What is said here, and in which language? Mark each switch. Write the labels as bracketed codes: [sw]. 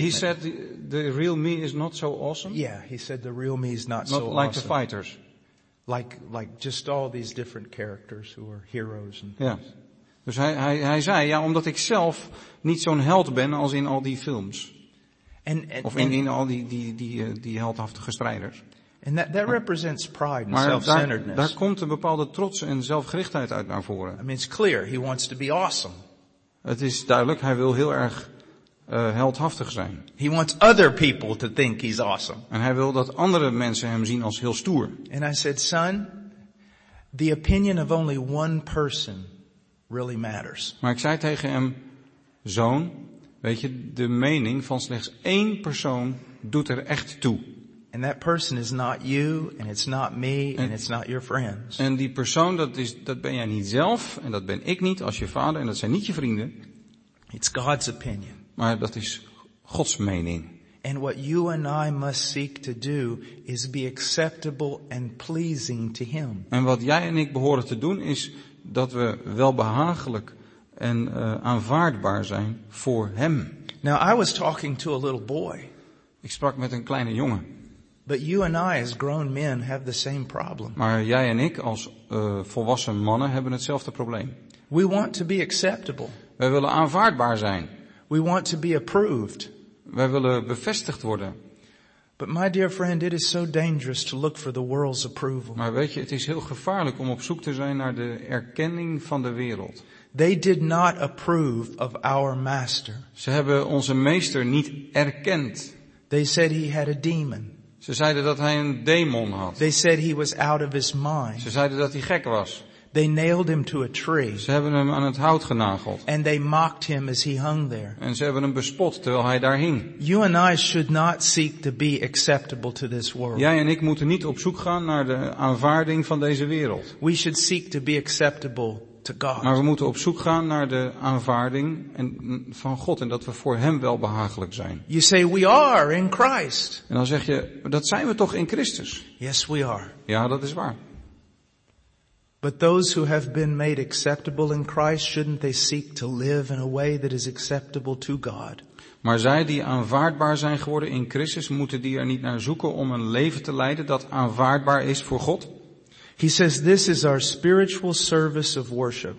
[en] He said the real me is not so awesome. Yeah, he said the real me is not so like awesome. Like the fighters. Like just all these different characters who are heroes and things. Yeah. [nl] Dus hij zei, ja, omdat ik zelf niet zo'n held ben als in al die films. Of in al die heldhaftige strijders. [en] And that represents pride and self-centeredness. [nl] Maar daar komt een bepaalde trots en zelfgerichtheid uit naar voren. [en] I mean, it's clear he wants to be awesome. [nl] Het is duidelijk, hij wil heel erg heldhaftig zijn. [en] He wants other people to think he's awesome. [nl] En hij wil dat andere mensen hem zien als heel stoer. [en] And I said, son, the opinion of only one person really matters. [nl] Maar ik zei tegen hem, zoon, weet je, de mening van slechts één persoon doet er echt toe. [en] And that person is not you, and it's not me, and it's not your friends. [nl] En die persoon, dat ben jij niet zelf, en dat ben ik niet als je vader, en dat zijn niet je vrienden. [en] It's God's opinion. [nl] Maar dat is Gods mening. [en] And what you and I must seek to do is be acceptable and pleasing to Him. [nl] En wat jij en ik behoren te doen is dat we wel behagelijk en aanvaardbaar zijn voor Hem. [en] Now I was talking to a little boy. [nl] Ik sprak met een kleine jongen. [en] But you and I, as grown men, have the same problem. [nl] Maar jij en ik als volwassen mannen hebben hetzelfde probleem. [en] We want to be acceptable. [nl] Wij willen aanvaardbaar zijn. [en] We want to be approved. [nl] Wij willen bevestigd worden. [en] But my dear friend, it is so dangerous to look for the world's approval. [nl] Maar weet je, het is heel gevaarlijk om op zoek te zijn naar de erkenning van de wereld. [en] They did not approve of our master. [nl] Ze hebben onze meester niet erkend. [en] They said he had a demon. [nl] Ze zeiden dat hij een demon had. [en] They said he was out of his mind. [nl] Ze zeiden dat hij gek was. [en] They nailed him to a tree. [nl] Ze hebben hem aan het hout genageld. [en] And they mocked him as he hung there. [nl] En ze hebben hem bespot terwijl hij daar hing. [en] You and I should not seek to be acceptable to this world. [nl] Jij en ik moeten niet op zoek gaan naar de aanvaarding van deze wereld. [en] We should seek to be acceptable to God. [nl] Maar we moeten op zoek gaan naar de aanvaarding van God en dat we voor Hem wel behagelijk zijn. [en] You say we are in Christ. [nl] En dan zeg je, dat zijn we toch in Christus? [en] Yes, we are. [nl] Ja, dat is waar. [en] But those who have been made acceptable in Christ, shouldn't they seek to live in a way that is acceptable to God? [nl] Maar zij die aanvaardbaar zijn geworden in Christus, moeten die er niet naar zoeken om een leven te leiden dat aanvaardbaar is voor God? [en] He says, this is our spiritual service of worship.